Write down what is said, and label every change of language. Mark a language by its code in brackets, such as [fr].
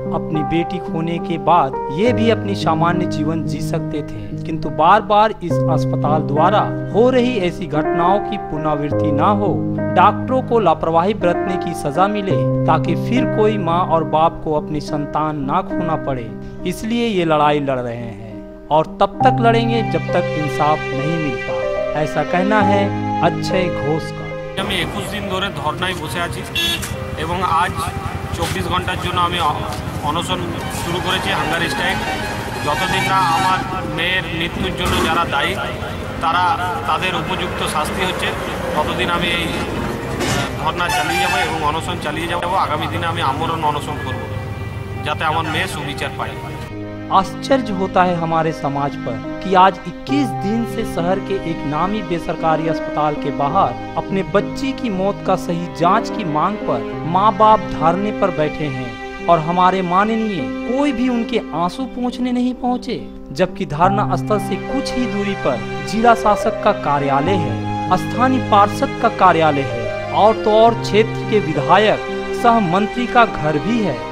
[hi] अपनी बेटी खोने के बाद ये भी अपनी सामान्य जीवन जी सकते थे किंतु बार बार इस अस्पताल द्वारा हो रही ऐसी घटनाओं की पुनरावृत्ति ना हो, डॉक्टरों को लापरवाही बरतने की सजा मिले ताकि फिर कोई माँ और बाप को अपनी संतान ना खोना पड़े, इसलिए ये लड़ाई लड़ रहे हैं और तब तक लड़ेंगे जब तक इंसाफ नहीं मिलता, ऐसा कहना है अक्षय घोष का। [bn] আমি 21 দিন ধরে ধর্ণায় বসে আছি এবং আজ 24 ঘন্টার জন্য আমি অনশন শুরু করেছি, হাঙ্গার স্ট্রাইক। যতদিন না আমার মেয়ের মৃত্যুর জন্য যারা দায়ী তারা তাদের উপযুক্ত শাস্তি হচ্ছে ততদিন আমি এই ধর্ণা চালিয়ে যাব এবং অনশন চালিয়ে যাব। আগামী দিনে আমি আমরণ অনশন করব যাতে আমার মেয়ে সুবিচার পায়। [hi] आश्चर्य होता है हमारे समाज पर कि आज 21 दिन से शहर के एक नामी बेसरकारी अस्पताल के बाहर अपने बच्ची की मौत का सही जांच की मांग पर माँ बाप धरने पर बैठे हैं और हमारे माननीय कोई भी उनके आंसू पोंछने नहीं पहुँचे, जबकि धरना स्थल से कुछ ही दूरी पर जिला शासक का कार्यालय है, स्थानीय पार्षद का कार्यालय है और तो और क्षेत्र के विधायक सह मंत्री का घर भी है।